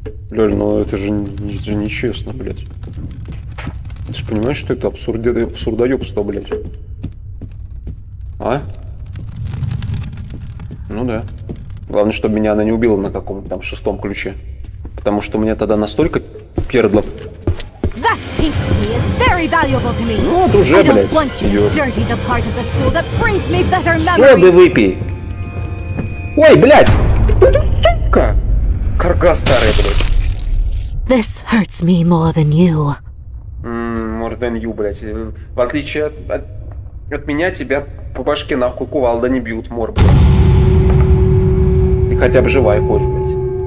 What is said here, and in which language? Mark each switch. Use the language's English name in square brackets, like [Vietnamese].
[Russian] Лёль, ну это же нечестно, блядь. Ты ж понимаешь, что это абсурдоёбство, блядь? А? Ну да. Главное, чтобы меня она не убила на каком-то там шестом ключе. Потому что мне тогда настолько... Пердло. [English] That pink key is very valuable to me. [Russian] Ну, вот уже, блядь, её. Соды выпей. Ой, блядь! Это сука! Карга старая, блядь. [English] This hurts me more than you. More than you, блядь. [Russian] В отличие от меня, тебя по башке нахуй кувалда не бьют, мор, блядь. Ты хотя бы живая хочешь, блядь.